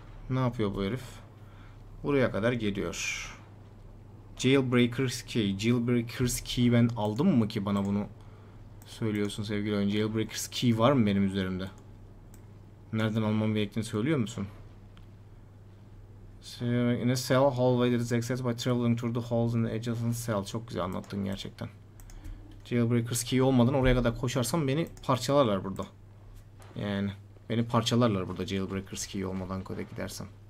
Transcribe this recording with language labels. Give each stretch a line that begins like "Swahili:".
Turkish: Ne yapıyor bu herif? Buraya kadar geliyor. Jailbreaker's Key. Jailbreaker's Key'i ben aldım mı ki bana bunu söylüyorsun sevgili oyuncu? Jailbreaker's Key var mı benim üzerimde? Nereden almam gerektiğini söylüyor musun?
English: In a cell hallway that is accessed by traveling through the halls in the adjacent cell.
Turkish: Çok güzel anlattın gerçekten. Jailbreaker's key olmadan oraya kadar koşarsam beni parçalarlar burada. Yani beni parçalarlar burada jailbreaker's key olmadan köye gidersem.